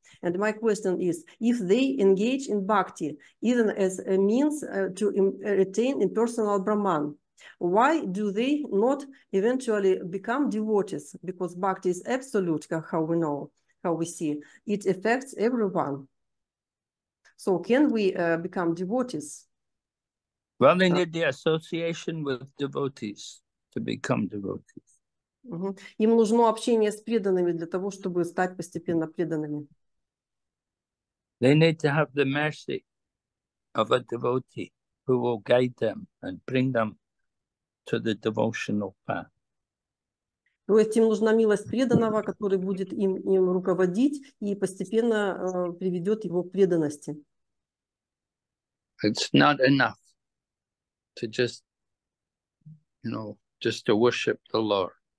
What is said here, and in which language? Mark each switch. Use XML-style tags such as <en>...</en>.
<en>And my question is, if they engage in bhakti, even as a means to attain impersonal Brahman, why do they not eventually become devotees? Because bhakti is absolute, how we know, how we see. It affects everyone. So can we become devotees? Well, they need the association with devotees to become devotees.</en> <ru>Им нужно общение с преданными для того, чтобы стать постепенно преданными.</ru> <en>They need to have the mercy of a devotee who will guide them and bring them to the devotional path.</en> <ru>То есть им нужна милость преданного, который будет им руководить и постепенно приведет его к преданности.</ru> <en>It's not enough to just, you know, just to worship the Lord.</en>